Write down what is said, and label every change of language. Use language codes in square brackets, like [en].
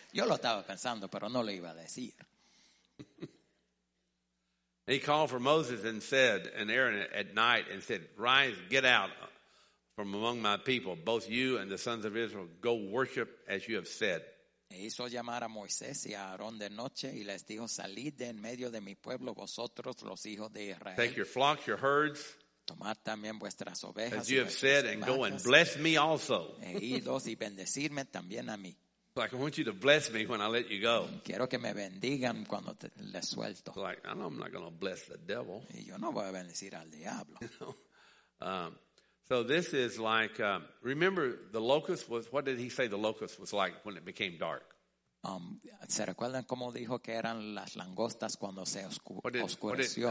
[es] Yo lo estaba pensando, pero no lo iba a decir. [en] He called for Moses and said, and Aaron at night, and said, "Rise, get out from among my people, both you and the sons of Israel. Go worship as you have said." [es] E hizo llamar a Moisés y a Aarón de noche y les dijo, "Salid de en medio de mi pueblo, vosotros los hijos de Israel." [en] Take your flocks, your herds. [es] Tomad también vuestras ovejas. [en] As you have said, and go and bless me also. [es] E idos y bendecirme también a mí. [en] Like, I want you to bless me when I let you go. [es] Quiero que me bendigan cuando te, le suelto. [en] Like, I know I'm not going to bless the devil. [es] Y yo no voy a bendecir al diablo. [en] So this is like, remember the locust was, what did he say the locust was like when it became dark? [es] ¿Se recuerdan cómo dijo que eran las langostas cuando se oscureció?